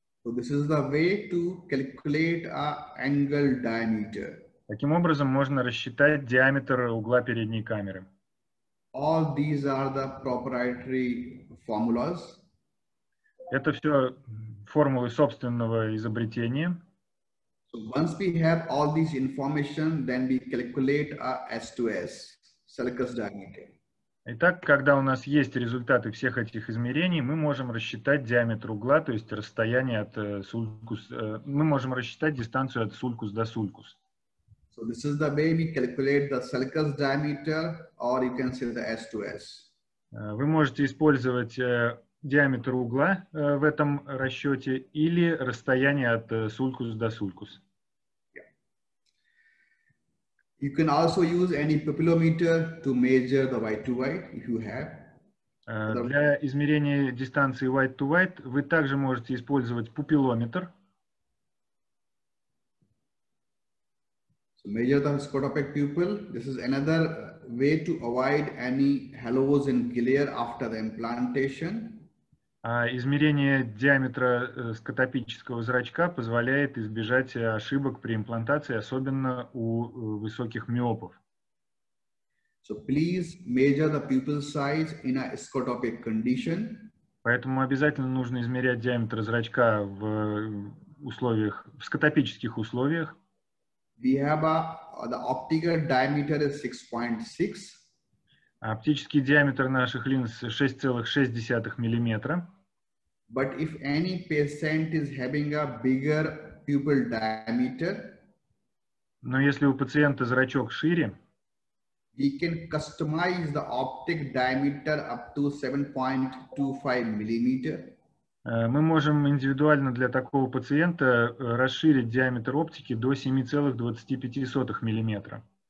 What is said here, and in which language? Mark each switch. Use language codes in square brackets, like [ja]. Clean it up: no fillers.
[en] So this is the way to calculate a angle diameter. [ru] Таким образом, можно рассчитать диаметр угла передней камеры. [en] All these are the proprietary formulas. [ru] Это все формулы собственного изобретения. [en] So once we have all this information, then we calculate a S2S, sulcus diameter. [ru] Итак, когда у нас есть результаты всех этих измерений, мы можем рассчитать диаметр угла, то есть расстояние от сулькус, мы можем рассчитать дистанцию от сулькус до сулькус. [en] So this is the way we calculate the sulcus diameter, or you can say the S2S. [ru] Вы можете использовать диаметр угла в этом расчете или расстояние от сулькус до сулькус. [en] You can also use any papillometer to measure the white to white if you have. [ru] Для измерения дистанции white to white вы также можете использовать папилометр. [en] So measure the scotopic pupil. This is another way to avoid any hollows and glare after the implantation. [ru] Измерение диаметра скотопического зрачка позволяет избежать ошибок при имплантации, особенно у высоких миопов. [en] So please measure the pupil size in a scotopic condition. [ru] Поэтому обязательно нужно измерять диаметр зрачка в условиях, в скотопических условиях. [en] We have the optical diameter is 6.6. [ru] Оптический диаметр наших линз 6,6 миллиметра. [en] But if any patient is having a bigger pupil diameter, [ru] но если у пациента зрачок шире, [en] we can customize the optic diameter up to 7.25 millimeter. [ru] Мы можем индивидуально для такого пациента расширить диаметр оптики до 7,25 миллиметра.